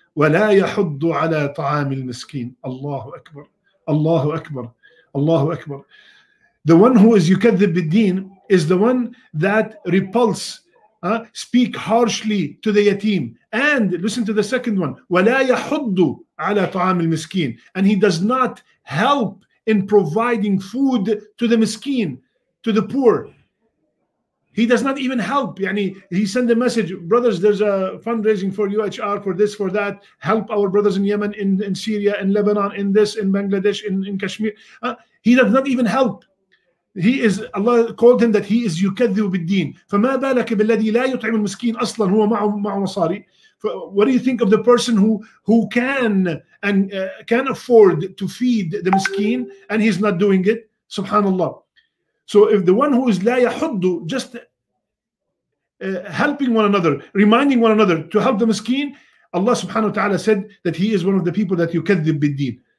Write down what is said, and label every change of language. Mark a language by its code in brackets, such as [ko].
[ar] ولا يحض على طعام المسكين. الله أكبر، الله أكبر، الله أكبر. [en] The one who is [ar] يكذب بالدين [en] is the one that repulse, speak harshly to the yatim. And listen to the second one. [ar] ولا يحض على طعام المسكين. [en] And he does not help in providing food to the miskin, to the poor. He does not even help. يعني he send a message, brothers, there's a fundraising for UHR, for this, for that. Help our brothers in Yemen, in Syria, in Lebanon, in this, in Bangladesh, in Kashmir. He does not even help. He is, Allah called him that he is [ar] يكذب بالدين. فما بالك بالذي لا يطعم المسكين أصلا هو معه مصاري. [en] What do you think of the person who can and can afford to feed the miskin and he's not doing it? Subhanallah. So if the one who is [ar] لا يحض, [en] just helping one another, reminding one another to help the miskin, Allah subhanahu wa ta'ala said that he is one of the people that [ar] يكذب بالدين.